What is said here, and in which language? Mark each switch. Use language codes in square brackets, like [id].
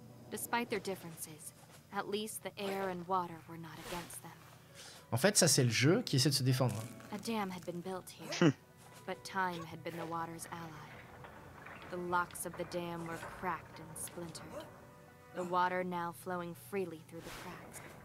[en] Despite their differences, at least the air and water were not against them. [fr] En fait, ça c'est le jeu qui essaie de se défendre. [en] A dam had been built here, but time had been the water's ally. The locks of the dam were cracked and splintered. The water now flowing freely through the cracks.